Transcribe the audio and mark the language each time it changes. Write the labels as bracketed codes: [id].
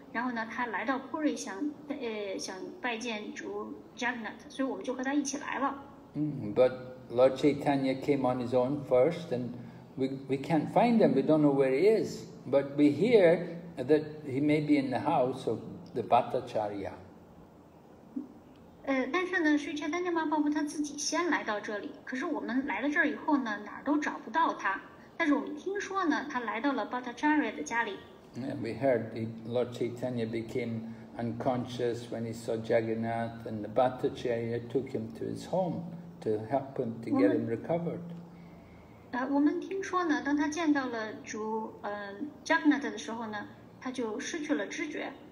[zh] 然后呢，他来到 Puri 想拜见主 Jagannath， 所以我们就和他一起来了。 [en] But Lord Chaitanya came on his own first, and we can't find him. We don't know where he is. But we hear that he may be in the house of the Bhattacharya. [zh] 但是呢，是 Chaitanya Mahaprabhu 他自己先来到这里。可是我们来了这儿以后呢，哪儿都找不到他。但是我们听说呢，他来到了 Bhattacharya 的家里。 [en] And we heard Lord Chaitanya became unconscious when he saw Jagannath, and the Bhattacharya took him to his home to help him to get him recovered. [zh] 我们听说呢，当他见到了主Jagannath 的时候呢，他就失去了知觉。